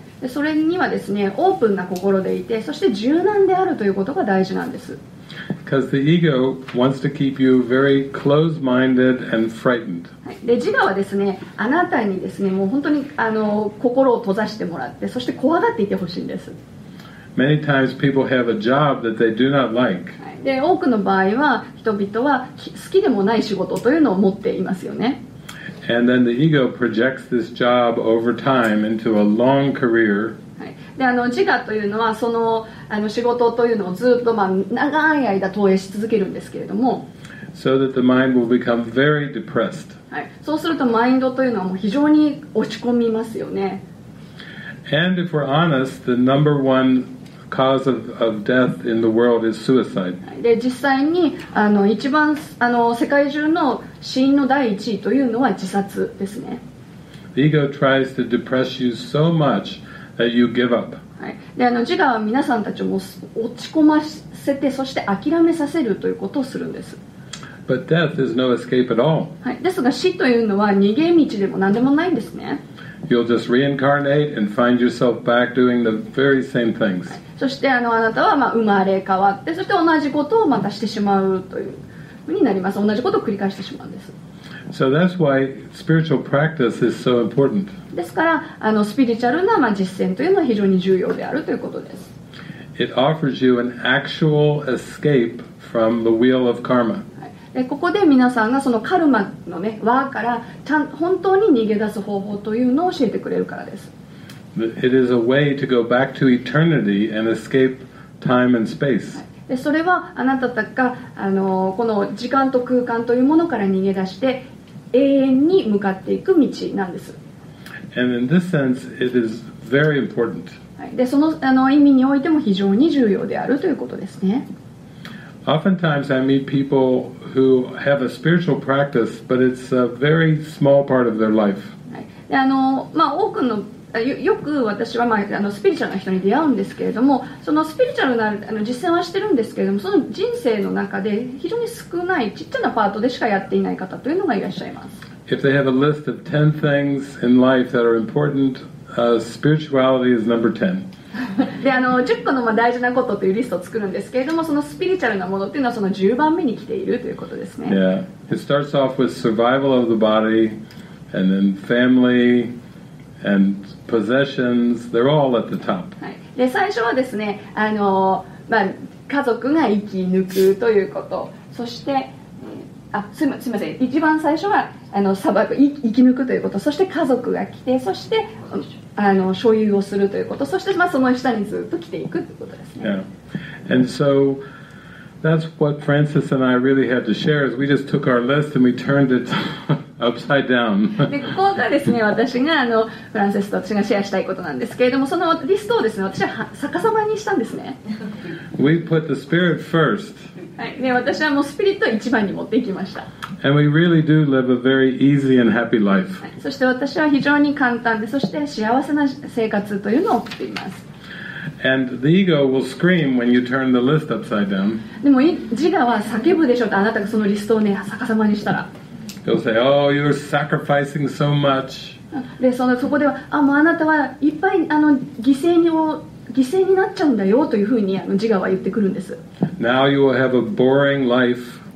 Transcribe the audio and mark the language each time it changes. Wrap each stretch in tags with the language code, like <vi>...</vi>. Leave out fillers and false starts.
<ja>で、それにはですね、オープンな心でいて、そして柔軟であるということが大事なんです。</ja> <en>Because the ego wants to keep you very closed-minded and frightened.</en> <ja>で、自我はですね、あなたにですね、もう本当に心を閉ざしてもらって、そして怖がっていてほしいんです。</ja> <en>Many times people have a job that they do not like.</en> <ja>で、多くの場合は人々は好きでもない仕事というのを持っていますよね。</ja> <en>And then the ego projects this job over time into a long career.</en> <ja>で、自我というのはその仕事というのをずっと長い間投影し続けるんですけれども。</ja> <en>So that the mind will become very depressed.</en> <ja>そうするとマインドというのはもう非常に落ち込みますよね。</ja> <en>And if we're honest, the number one cause of death in the world is suicide.</en> <ja>で、実際に一番世界中の死因の第一位というのは自殺ですね。</ja> <en>The ego tries to depress you so much that you give up.</en> <ja>はい。で、自我は皆さんたちを落ち込ませて、そして諦めさせるということをするんです。</ja> <en>But death is no escape at all.</en> <ja>はい。ですが、死というのは逃げ道でも何でもないんですね。</ja> <en>You'll just reincarnate and find yourself back doing the very same things.</en> <ja>そして、あなたは生まれ変わって、そして同じことをまたしてしまうという。になります。同じことを繰り返してしまうんです。</ja> <en>So that's why spiritual practice is so important.</en> <ja>ですから、スピリチュアルな実践というのは非常に重要であるということです。</ja> <en>It offers you an actual escape from the wheel of karma.</en> <ja>はい、ここで皆さんがそのカルマの、ね、輪から本当に逃げ出す方法というのを教えてくれるからです。</ja> <en>It is a way to go back to eternity and escape time and space.</en> <ja>で、それはあなたたちがこの時間と空間というものから逃げ出して永遠に向かっていく道なんです。</ja> <en>And in this sense, it is very important.</en> <ja>はい、で、その意味においても非常に重要であるということですね。</ja> <en>Oftentimes I meet people who have a spiritual practice, but it's a very small part of their life.</en> <ja>はい、で、多くのよく私は、スピリチュアルな人に出会うんですけれども、そのスピリチュアルな実践はしてるんですけれども、その人生の中で非常に少ないちっちゃなパートでしかやっていない方というのがいらっしゃいます。</ja> <en>If they have a list of 10 things in life that are important, spirituality is number 10.</en> <ja>で、10個の大事なことというリストを作るんですけれども、そのスピリチュアルなものというのはその10番目に来ているということですね。</ja> <en>Yeah. It starts off with survival of the body, and then family, and possessions. They're all at the top.</en> <ja>はい。で、最初はですね、家族が生き抜くということ、そして、すみません、一番最初は砂漠、生き抜くということ、そして家族が来て、そして所有をするということ、そして、その下にずっと来ていくということですね。</ja> <en>Yeah. And so that's what Francis and I really had to share is we just took our list and we turned it upside down.</en> <ja>で、ここがですね、私がフランセスと私がシェアしたいことなんですけれども、そのリストをですね、私は逆さまにしたんですね。</ja> <en>We put the spirit first.</en> <ja>はい、で、私はもうスピリットを一番に持っていきました。</ja> <en>And we really do live a very easy and happy life.</en> <ja>はい、そして私は非常に簡単で、そして幸せな生活というのを送っています。</ja> <en>And the ego will scream when you turn the list upside down.</en> <ja>でも自我は叫ぶでしょうと、あなたがそのリストをね、逆さまにしたら。</ja> <en>They'll say, oh, you're sacrificing so much.</en> <ja>で、そこでは、もうあなたはいっぱい犠牲になっちゃうんだよというふうに自我は言ってくるんです。</ja> <en>Now you will have a boring life.</en>